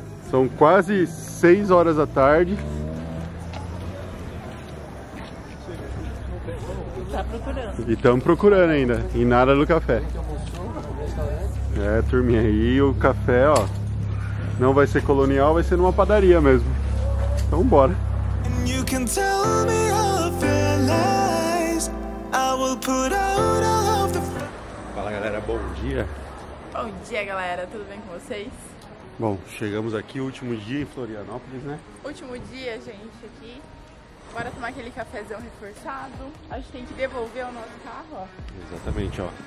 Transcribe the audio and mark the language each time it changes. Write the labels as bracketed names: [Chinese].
[Portuguese] São quase 6 horas da tarde. Procurando. E estamos procurando ainda, e nada do café. É, turminha, aí o café, ó, não vai ser colonial, vai ser numa padaria mesmo. Então bora. [English] You can tell me all of your lies. I will put out all of the... [Portuguese] Fala, galera, bom dia. Bom dia, galera, tudo bem com vocês? Bom, chegamos aqui, último dia em Florianópolis, né? Último dia, gente, aqui. Bora tomar aquele cafezão reforçado. A gente tem que devolver o nosso carro, ó. Exatamente, ó.